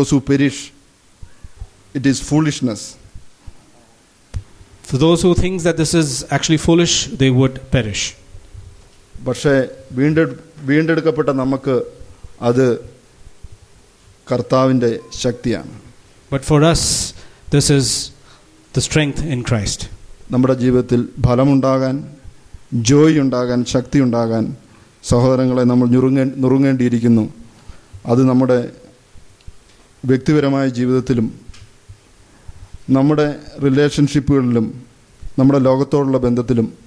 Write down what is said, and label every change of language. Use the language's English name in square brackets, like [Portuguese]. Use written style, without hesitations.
[English] perish, it is foolishness. For those who thinks that this is actually foolish, they would perish. [Malayalam] പക്ഷെ വീണ്ടെടുക്കപ്പെട്ട നമുക്ക് അത് കർത്താവിന്റെ ശക്തിയാണ്. [English] But for us, this is the strength in Christ. [Malayalam] നമ്മുടെ ജീവിതത്തിൽ ഫലം ഉണ്ടാകാൻ, ജോയ് ഉണ്ടാകാൻ, ശക്തി ഉണ്ടാകാൻ സഹോദരങ്ങളെ നമ്മൾ നുറുങ്ങേണ്ടിയിരിക്കുന്നു. അത് നമ്മുടെ വ്യക്തിപരമായ ജീവിതത്തിലും നമ്മുടെ റിലേഷൻഷിപ്പുകളിലും നമ്മുടെ ലോകത്തോടുള്ള ബന്ധത്തിലും